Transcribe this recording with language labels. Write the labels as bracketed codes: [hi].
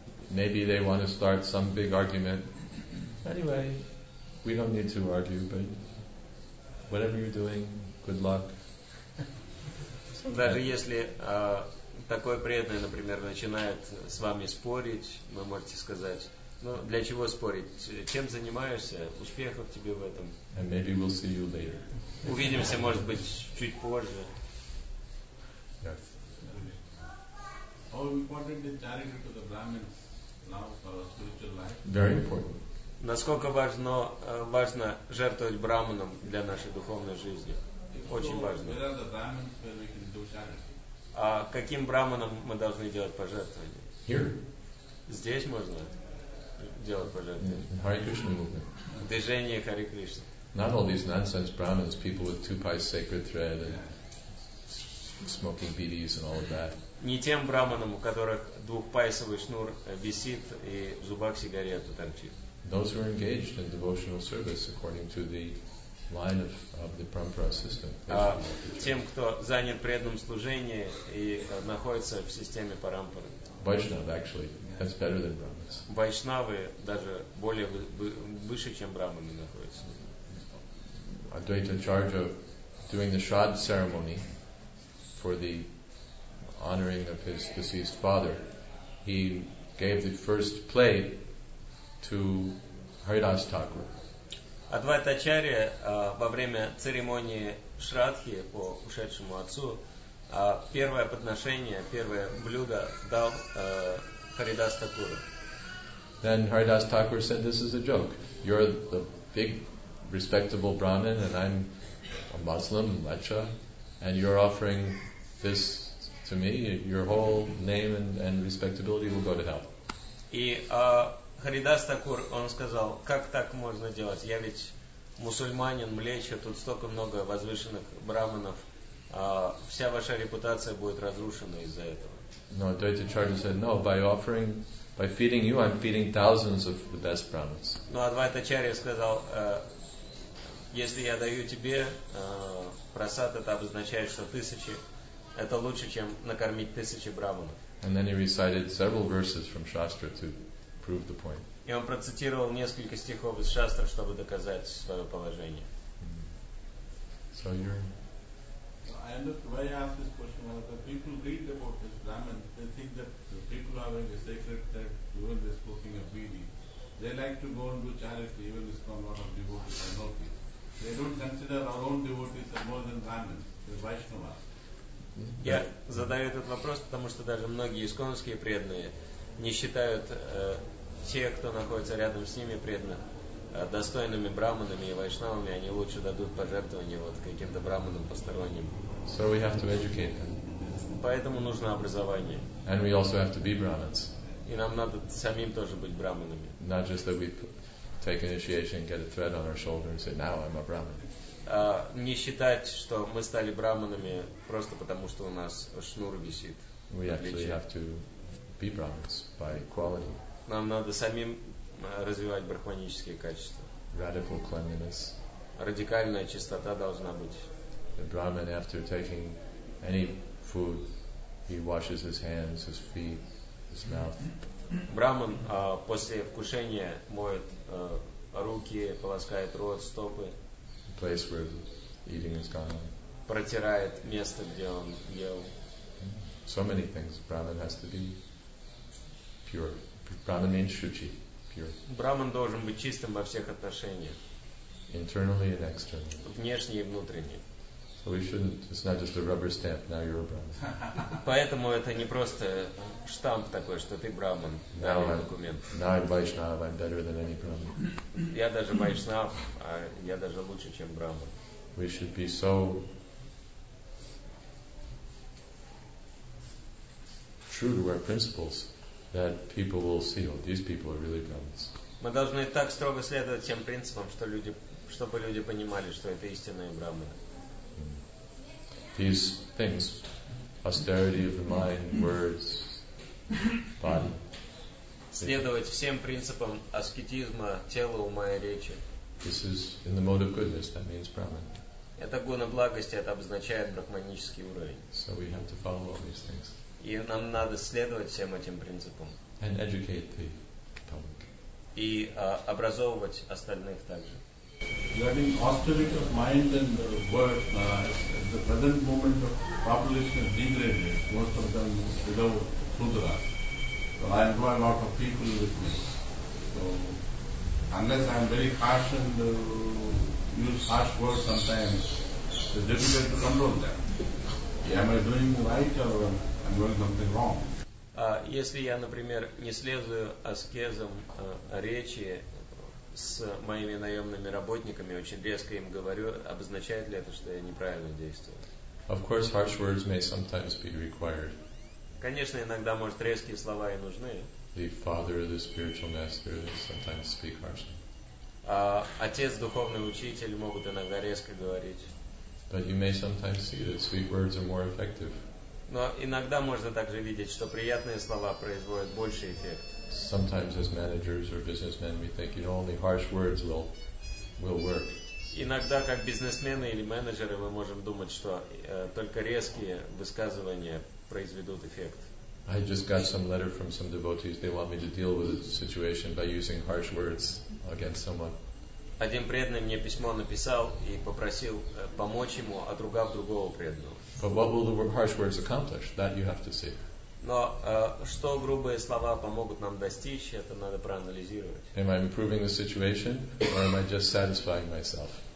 [en] Maybe they want to start some big argument. Anyway, we don't need to argue, but whatever you're doing, good luck. [ru] Даже если такой преданный, например, начинает с вами спорить, вы можете сказать, ну, для чего спорить? Чем занимаешься? Успехов тебе в этом. [en] And maybe we'll see you later. [ru] Увидимся, может быть, чуть позже. [en] Yes. How important is charity to the Brahmins now for our spiritual life? Very important. [ru] Насколько важно жертвовать брахманам для нашей духовной жизни? Очень важно. [en] Where are the Brahmins where we can do charity? [ru] А каким брахманам мы должны делать пожертвования? [en] Here. [ru] Здесь можно делать пожертвования. [en] Hare Krishna movement. [ru] Движение Харе Кришна. [en] Not all these nonsense Brahmins, people with two-pi sacred thread and smoking bidis and all of that. [ru] Не тем Брахманам, у которых двухпайсовый шнур висит и в зубах сигарету торчит. [en] Those who are engaged in devotional service according to the line of the Parampara system. [ru] Тем, кто занят преданным служением и находится в системе Парампары. [en] Vaishnav, actually. That's better than Brahmins. [ru] Вайшнавы даже более выше, чем Брахманы находятся. [en] Advaita Charja doing the Shraddh ceremony for the honoring of his deceased father, he gave the first plate to Haridas Thakur. [ru] Advaita Charya во время церемонии Шрадхи по ушедшему отцу первое подношение, первое блюдо дал Харидас Такуру. [en] Then Haridas Thakur said, "This is a joke. You're the big respectable Brahmin, and I'm a Muslim, Lecha, and you're offering this to me, your whole name and respectability will go to hell." [ru] И Харидас Такур, он сказал, как так можно делать? Я ведь мусульманин, млеча, тут столько много возвышенных брахманов, вся ваша репутация будет разрушена из-за этого. [en] No, Advaita Charja said, no, by feeding you, I'm feeding thousands of the best Brahmins. [ru] Но Advaita Charja сказал, если я даю тебе просад, это обозначает, что тысячи это лучше, чем накормить тысячи брахманов. [en] And then he recited several verses from Shastra to prove the point. [ru] И он процитировал несколько стихов из Шастры, чтобы доказать свое положение. [en] So you're... I understand why I ask this question. When people read about this Brahman, they think that the people are in the sacred text, even they're smoking a bidi. They like to go and do charity, even if it's not a lot of devotees and all people. they don't consider our own devotees as more than Brahmins, the Vaishnavas. [ru] Я задаю этот вопрос, потому что даже многие исконские преданные не считают те, кто находится рядом с ними преданных, достойными браманами и вайшнавами, они лучше дадут пожертвования вот каким-то браманам посторонним. [en] So we have to educate them. [ru] Поэтому нужно образование. [en] And we also have to be Brahmins. [ru] И нам надо самим тоже быть браманами. [en] Not just that we take initiation and get a thread on our shoulder and say, now I'm a Brahmin. [ru] Не считать, что мы стали браманами просто потому, что у нас шнур висит. [en] We actually have to be Brahmins by quality. [ru] Нам надо самим развивать брахманические качества. [en] Radical cleanliness. [ru] Радикальная чистота должна быть. [en] A Brahmin, after taking any food, he washes his hands, his feet, his mouth. [ru] Браман после вкушения моет руки, полоскает рот, стопы. [en] Place where eating is gone. [ru] Протирает место, где он ел. [en] So many things. Brahman has to be pure. Brahman means shuchi, pure. [ru] Браман должен быть чистым во всех отношениях. [en] Internally and externally. [ru] Внешне и внутренне. [en] So we shouldn't. It's not just a rubber stamp. Now you're a Brahman. [ru] Поэтому это не просто штамп такой, что ты Брахман. [en] Now I'm Vaishnav. I'm better than any Brahman. [ru] Я даже Вайшнав, а я даже лучше, чем Брахман. [en] We should be so true to our principles that people will see, oh, these people are really Brahmins. [ru] Мы должны так строго следовать тем принципам, что люди, чтобы люди понимали, что это истинные Брахманы. [en] These things, austerity of the mind, words, body. [ru] Следовать всем принципам аскетизма, тела, ума и речи. [en] This is in the mode of goodness, that means Brahman. [ru] Это гуна благости, это обозначает брахманический уровень. [en] So we have to follow all these things. [ru] И нам надо следовать всем этим принципам. [en] And educate the public. [ru] И образовывать остальных также. [en] Regarding austerity of mind and the word, at the present moment of population is degraded, most of them without sudra. So I employ a lot of people with me. So unless I am very harsh and use harsh words sometimes, it's difficult to control them. Am I doing right or am I doing something wrong? [ru] Если я, например, не следую аскезам речи, с моими наемными работниками очень резко им говорю, обозначает ли это, что я неправильно действую? [en] Of course, harsh words may sometimes be required. [ru] Конечно, иногда, может, резкие слова и нужны. [en] The father, the spiritual master, sometimes speak harshly. [ru] Отец, духовный учитель могут иногда резко говорить. [en] But you may sometimes see that sweet words are more effective. [ru] Но иногда можно также видеть, что приятные слова производят больший эффект. [en] Sometimes as managers or businessmen we think, you know, only harsh words will work. [ru] Иногда как бизнесмены или менеджеры мы можем думать, что только резкие высказывания произведут эффект. [en] I just got some letter from some devotees. They want me to deal with the situation by using harsh words against someone. [ru] Один преданный мне письмо написал и попросил помочь ему, отругав другого преданного. [en] But what will the harsh words accomplish? That you have to see. [ru] Но что грубые слова помогут нам достичь, это надо проанализировать. [en] Am I improving the situation or am I just satisfying myself?